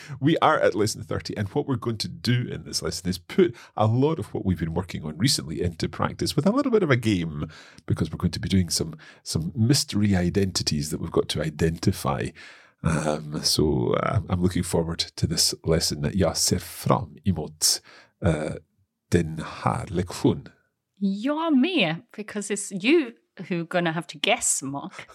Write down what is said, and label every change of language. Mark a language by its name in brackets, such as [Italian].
[English] We are at lesson 30, and what we're going to do in this lesson is put a lot of what we've been working on recently into practice with a little bit of a game, because we're going to be doing some mystery identities that we've got to identify. I'm looking forward to this lesson. [Swedish] Jag ser fram emot den här lektion. Jag med, [English] because it's you who are going to have to guess, Mark.